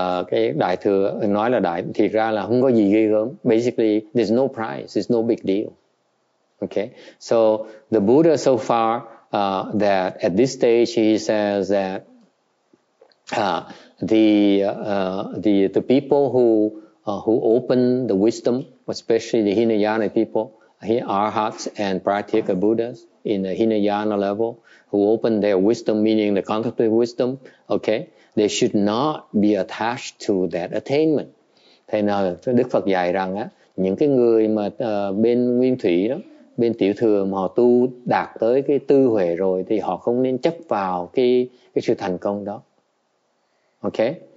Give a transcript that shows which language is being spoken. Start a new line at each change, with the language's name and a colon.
Vietnamese: Cái đại thừa nói là đại thì ra là không có gì ghê gớm.
English: Basically, there's no price, there's no big deal. Okay. So the Buddha so far that at this stage he says that the people who open the wisdom, especially the Hinayana people, arhats and pratyeka Buddhas in the Hinayana level, who open their wisdom, meaning the contemplative wisdom. Okay. They should not be attached to that attainment.
Vietnamese: Thế nào Đức Phật dạy rằng á, những cái người mà bên Nguyên Thủy đó, bên Tiểu Thừa mà họ tu đạt tới cái tư huệ rồi thì họ không nên chấp vào cái sự thành công đó. Okay?